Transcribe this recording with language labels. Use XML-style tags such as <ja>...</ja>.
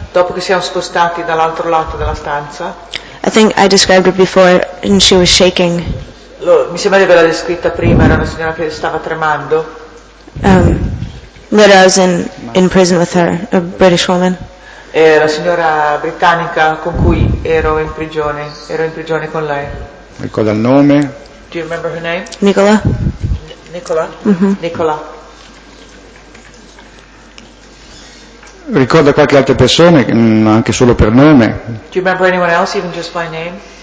<it>Dopo che siamo spostati dall'altro lato della stanza.</it> <en>I think I described her before and she was shaking.</en> <it>Mi sembra di averla descritta prima, era una signora che stava tremando.</it> <en>Later I was in prison with her, a British woman.</en> <it>E la signora britannica con cui ero in prigione con lei. Ricorda il nome?</it> <en>Do you remember her name? Nicola. Nicola? Mm-hmm. Nicola.</en> <it>Ricorda qualche altra persona, anche solo per nome?</it> <en>Do you remember anyone else, even just by name?</en>